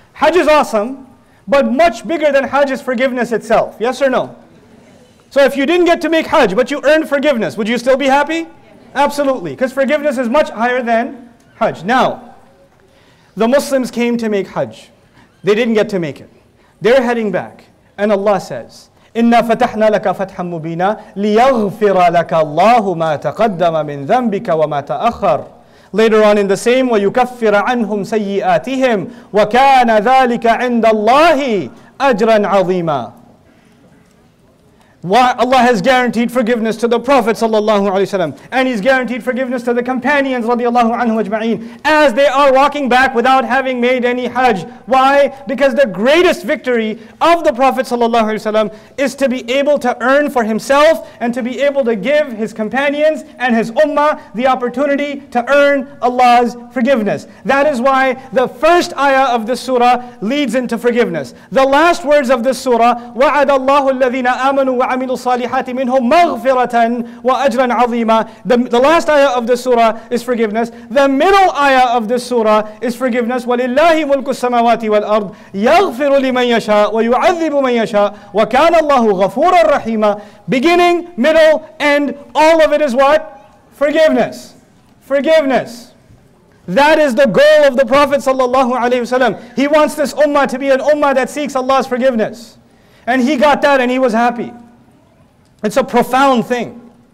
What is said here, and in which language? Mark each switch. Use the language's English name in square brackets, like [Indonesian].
[English] Hajj is awesome, but much bigger than Hajj is forgiveness itself. Yes or no? So if you didn't get to make Hajj, but you earned forgiveness, would you still be happy? Absolutely, because forgiveness is much higher than Hajj. Now, the Muslims came to make Hajj. They didn't get to make it. They're heading back. And Allah says, [Arabic] إِنَّا فَتَحْنَا لَكَ فَتْحًا مُبِينًا لِيَغْفِرَ لَكَ اللَّهُ مَا تَقَدَّمَ مِنْ ذَنْبِكَ وَمَا تَأَخَّرَ. [English] Later on in the same, [Arabic] وَيُكَفِّرَ عَنْهُمْ سَيِّئَاتِهِمْ وَكَانَ ذَلِكَ عِنْدَ اللَّهِ أَجْرًا عَظِيمًا. [English] Why Allah has guaranteed forgiveness to the Prophet sallallahu alaihi wasallam, and He's guaranteed forgiveness to the companions radiallahu anhu ajma'in, as they are walking back without having made any Hajj. Why? Because the greatest victory of the Prophet sallallahu alaihi wasallam is to be able to earn for himself and to be able to give his companions and his ummah the opportunity to earn Allah's forgiveness. That is why the first ayah of this surah leads into forgiveness. The last words of this surah, [Arabic] وَعَدَ اللَّهُ الَّذِينَ آمَنُوا وَعَمِلُوا الصَّالِحَاتِ مِنْهُمْ مَغْفِرَةً وَأَجْرًا عَظِيمًا. [English] The last ayah of this surah is forgiveness. The middle ayah of this surah is forgiveness. [Arabic] وَلِلَّهِ مُلْكُ السَّمَاوَاتِ والأرض يغفر لمن يشاء ويعذب من يشاء وكان الله غفورا رحيما. [English] Beginning, middle, end, all of it is what? Forgiveness. Forgiveness. That is the goal of the Prophet sallallahu alaihi wasallam. He wants this ummah to be an ummah that seeks Allah's forgiveness. And he got that and he was happy. It's a profound thing.